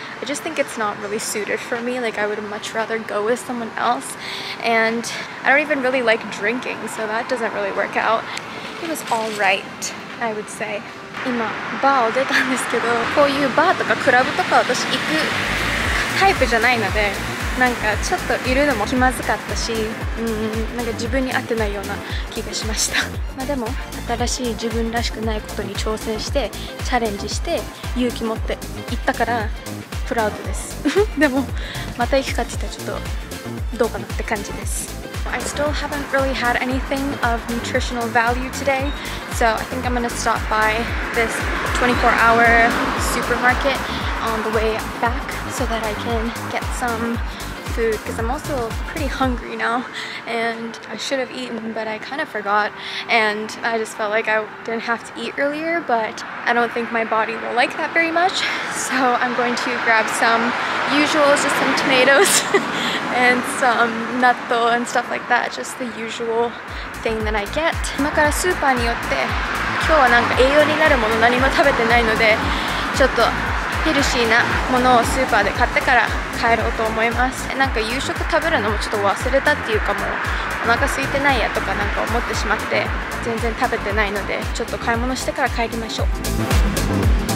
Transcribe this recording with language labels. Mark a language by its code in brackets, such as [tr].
[en] I just think it's not really suited for me. Like, I would much rather go with someone else. And I don't even really like drinking, so that doesn't really work out. It was all right, I would say. [ja] 今、バーを出たんですけど、こういうバーとかクラブとか私行くタイプじゃないので、なんかちょっといるのも気まずかったし、なんか自分に合ってないような気がしました。まあでも、新しい自分らしくないことに挑戦して、チャレンジして、勇気持って行ったから、プラウドです。でも、また行くかって言ったらちょっと、どうかなって感じです。 [en] I still haven't really had anything of nutritional value today, so I think I'm gonna stop by this 24-hour supermarket on the way back. So that I can get some food because I'm also pretty hungry now and I should have eaten but I kind of forgot and I just felt like I didn't have to eat earlier but I don't think my body will like that very much so I'm going to grab some usuals just some tomatoes and some natto and stuff like that just the usual thing that I get [ja] 今からスーパーに寄って今日はなんか栄養になるもの何も食べてないのでちょっとヘルシーなものをスーパーで買ってから帰ろうと思います。なんか夕食食べるのもちょっと忘れたっていうかもうお腹空いてないやとかなんか思ってしまって全然食べてないのでちょっと買い物してから帰りましょう。